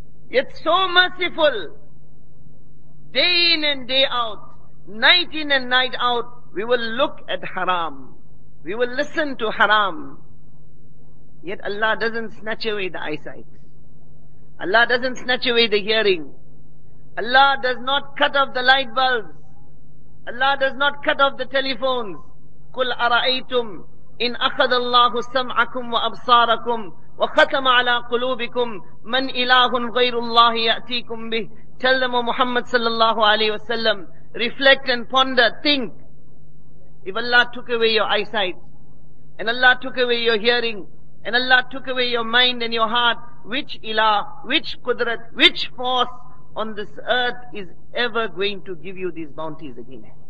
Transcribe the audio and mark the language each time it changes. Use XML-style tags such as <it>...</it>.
<en>Yet so merciful, day in and day out, night in and night out, we will look at haram. We will listen to haram. Yet Allah doesn't snatch away the eyesight. Allah doesn't snatch away the hearing. Allah does not cut off the light bulbs. Allah does not cut off the telephones.</en> <ar>قُلْ أَرَأَيْتُمْ إِنْ أَخَذَ اللَّهُ سَمْعَكُمْ وَأَبْصَارَكُمْ وَخَتَمَ عَلَىٰ قُلُوبِكُمْ مَنْ إِلَهٌ غَيْرُ اللَّهِ يَأْتِيكُمْ بِهِ.</ar> <en>Tell them, O Muhammad sallallahu alayhi wa sallam, reflect and ponder, think. If Allah took away your eyesight, and Allah took away your hearing, and Allah took away your mind and your heart, which ilah, which qudrat, which force on this earth is ever going to give you these bounties again?</en>